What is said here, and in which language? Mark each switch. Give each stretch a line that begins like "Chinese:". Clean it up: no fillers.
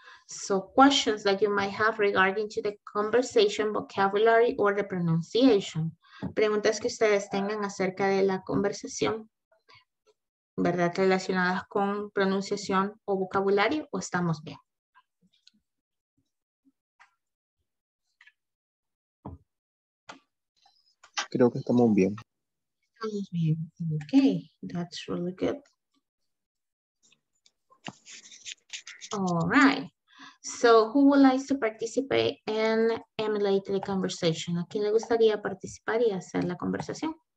English: So questions that you might have regarding to the conversation, vocabulary, or the pronunciation.
Spanish: Preguntas que ustedes tengan acerca de la conversación, ¿verdad? Relacionadas con pronunciación o vocabulario, ¿o estamos bien? Creo que estamos bien. Estamos bien.
English: Okay, that's really good. All right. So, who would like to participate and emulate the conversation?
Spanish: ¿A quién le gustaría participar y hacer la conversación?